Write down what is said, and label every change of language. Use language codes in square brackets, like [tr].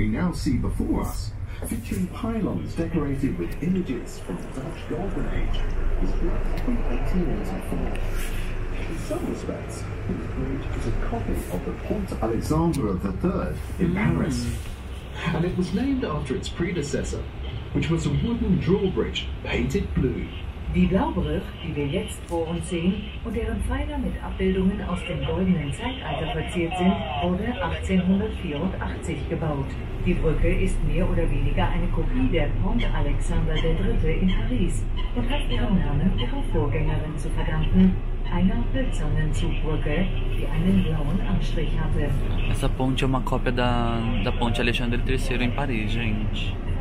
[en] See before us, featuring pylons decorated with images from the Dutch Golden Age, is built from 1804. In some respects, this bridge is a copy of the Pont Alexandre III in Paris. And it was named after its predecessor, which was a wooden drawbridge painted blue. [de] Die Blaubrücke, die wir jetzt vor uns sehen und deren Pfeiler mit Abbildungen aus dem goldenen Zeitalter verziert sind, wurde 1884 gebaut. Die Brücke ist mehr oder weniger eine Kopie der Pont Alexandre III. In Paris und hat ihren Namen ihrer Vorgängerin zu verdanken, einer hölzernen Zugbrücke, die einen blauen Anstrich hatte. [pt] Essa ponte é uma cópia da Ponte Alexandre III em Paris, gente.